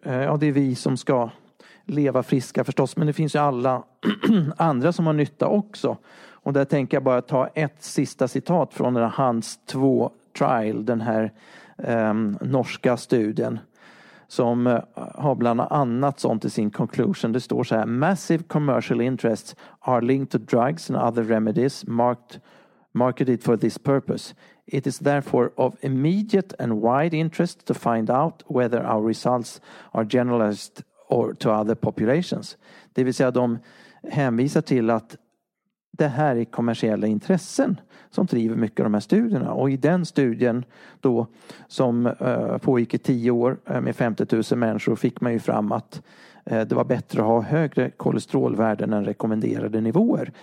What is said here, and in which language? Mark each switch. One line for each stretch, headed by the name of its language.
Swedish: Ja, det är vi som ska leva friska förstås. Men det finns ju alla andra som har nytta också. Och där tänker jag bara ta ett sista citat från den här Hans 2 trial. Den här norska studien. Som har bland annat sånt i sin conclusion. Det står så här.
English: Massive commercial interests are linked to drugs and other remedies marketed for this purpose. It is therefore of immediate and wide interest to find out whether our results are generalized or to other populations.
Swedish: Det vill säga de hänvisar till att det här är kommersiella intressen som driver mycket av de här studierna. Och i den studien då som pågick i 10 år med 50 000 människor fick man ju fram att det var bättre att ha högre kolesterolvärden än rekommenderade nivåer.